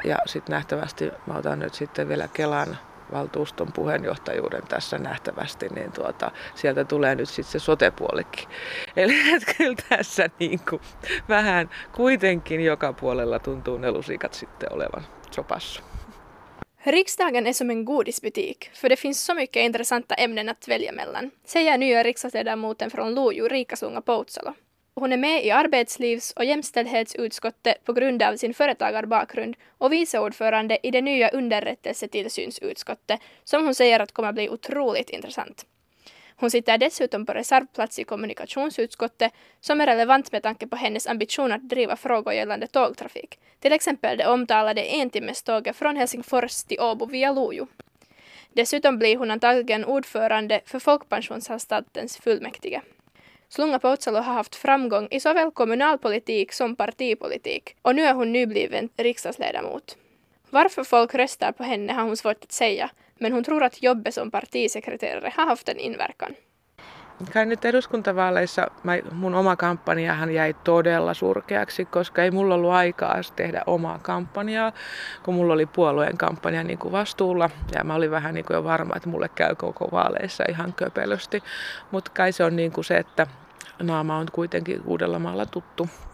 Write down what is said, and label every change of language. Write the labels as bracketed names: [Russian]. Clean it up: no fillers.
[Finnish] Ja sitten nähtävästi mä otan nyt sitten vielä Kelan valtuuston puheenjohtajuuden tässä nähtävästi, niin sieltä tulee nyt sitten se sote-puolikin. Eli kyllä tässä niin kuin vähän kuitenkin joka puolella tuntuu ne lusikat sitten olevan sopassa. [Swedish] Riksdagen är som en godisbutik, för det finns så mycket intressanta ämnen att välja mellan, säger nya riksdagsledamoten från Lojo, Rikasunga Poutsalo. Hon är med i arbetslivs- och jämställdhetsutskottet på grund av sin företagarbakgrund och vice ordförande i det nya underrättelsetillsynsutskottet, som hon säger att kommer bli otroligt intressant. Hon sitter dessutom på reservplats i kommunikationsutskottet, som är relevant med tanke på hennes ambition att driva frågor gällande tågtrafik, till exempel det omtalade entimmeståget från Helsingfors till Åbo via Lojo. Dessutom blir hon antagligen ordförande för Folkpensionsanstaltens fullmäktige. Slunga Poutsalo har haft framgång i såväl kommunalpolitik som partipolitik, och nu är hon nybliven riksdagsledamot. Varför folk röstar på henne har hon svårt att säga, men hon tror att jobbet som partisekreterare har haft en inverkan. [Finnish] Kai nyt eduskuntavaaleissa mun oma kampanjahan jäi todella surkeaksi, koska ei mulla ollut aikaa tehdä omaa kampanjaa, kun mulla oli puolueen kampanja niin kuin vastuulla. Ja mä olin vähän niin kuin jo varma, että mulle käy koko vaaleissa ihan köpelösti. Mutta kai se on niin kuin se, että naama on kuitenkin Uudellamaalla tuttu.